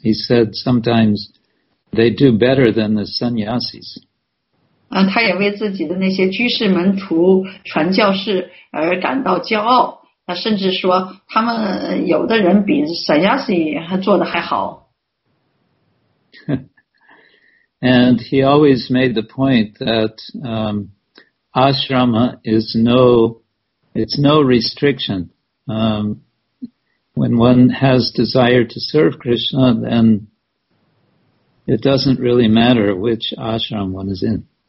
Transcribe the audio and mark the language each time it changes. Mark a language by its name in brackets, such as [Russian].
[English] He said sometimes they do better than the sannyasis. [Chinese] 他也为自己的那些居士门徒传教士而感到骄傲，他甚至说他们有的人比 sannyasi 还做得还好。 [English] And he always made the point that ashrama is no restriction. When one has desire to serve Krishna, then it doesn't really matter which ashram one is in.